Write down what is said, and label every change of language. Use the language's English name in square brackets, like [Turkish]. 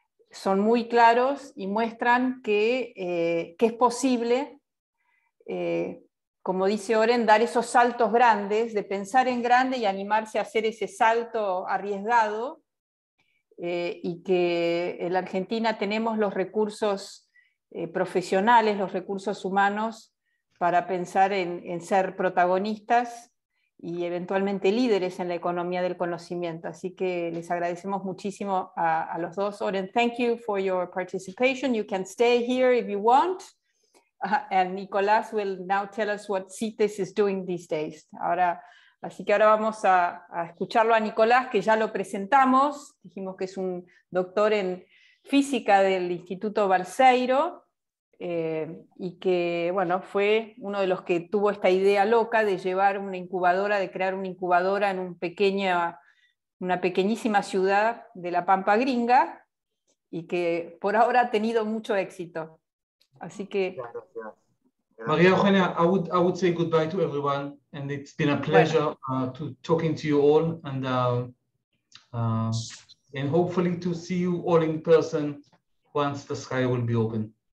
[Spanish] son muy claros y muestran que es posible, como dice Oren, dar esos saltos grandes, de pensar en grande y animarse a hacer ese salto arriesgado, y que en la Argentina tenemos los recursos profesionales, los recursos humanos, para pensar en ser protagonistas y eventualmente líderes en la economía del conocimiento. Así que les agradecemos muchísimo a los dos. [English] Oren, thank you for your participation. You can stay here if you want. And Nicolás will now tell us what CITES is doing these days. [Spanish] Así que ahora vamos a escucharlo a Nicolás, que ya lo presentamos. Dijimos que es un doctor en física del Instituto Balseiro. Y que, bueno, fue uno de los que tuvo esta idea loca de llevar una incubadora, de crear una incubadora en una pequeñísima ciudad de la Pampa Gringa, y que por ahora ha tenido mucho éxito. Así que... [English] María Eugenia, I would say goodbye to everyone, and it's been a pleasure to talking to you all, and hopefully to see you all in person once the sky will be open.